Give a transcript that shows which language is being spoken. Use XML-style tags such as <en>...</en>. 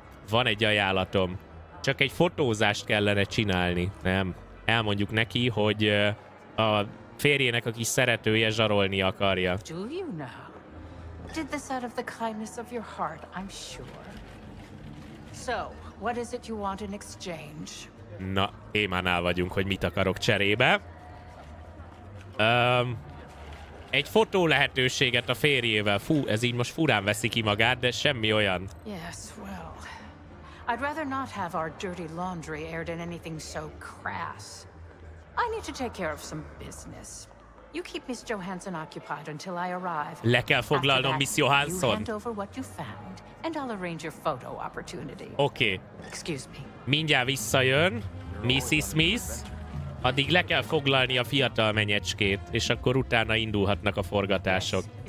<hu>Van egy ajánlatom. Csak egy fotózást kellene csinálni, nem? Elmondjuk neki, hogy a férjének a kis szeretője zsarolni akarja.</hu> <en>Did this out of the kindness of your heart, I'm sure. So, what is it you want in exchange?</en> <hu>Na, témánál vagyunk, hogy mit akarok cserébe. Egy fotó lehetőséget a férjével. Fú, ez így most furán veszi ki magát, de semmi olyan.</hu> <en>Yes, well. I'd rather not have our dirty laundry aired in anything so crass. I need to take care of some business. You keep Miss Johansson occupied until I arrive.</en> <hu>Le kell foglalnom Miss Johansson.</hu> <en>You hand over what you found, and I'll arrange your photo opportunity. Okay. Excuse me.</en> <hu>Mindjárt visszajön, Mrs. Smith. Addig le kell foglalni a fiatal menyecskét, és akkor utána indulhatnak a forgatások.</hu>